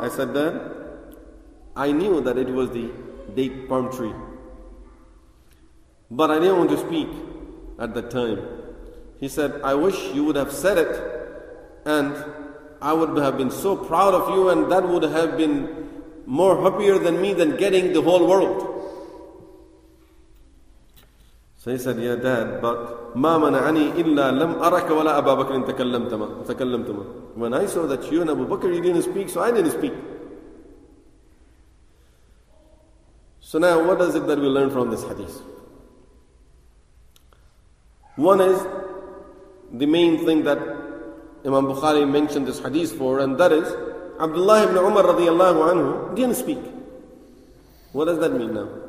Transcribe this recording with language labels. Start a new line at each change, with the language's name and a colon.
English: I said, "Dad, I knew that it was the date palm tree, but I didn't want to speak at that time." He said, I wish you would have said it, and I would have been so proud of you, and that would have been more happier than me than getting the whole world. So he said, yeah, Dad, but
Arabic: مَا مَنَعَنِي إِلَّا لَمْ أَرَكَ وَلَا أَبَا بَكْرٍ تَكَلَّمْتَمَا.
English: When I saw that you and Abu Bakr, you didn't speak, so I didn't speak. So now, what is it that we learn from this hadith? One is the main thing that Imam Bukhari mentioned this hadith for, and that is Abdullah ibn Umar radiallahu anhu didn't speak. What does that mean now?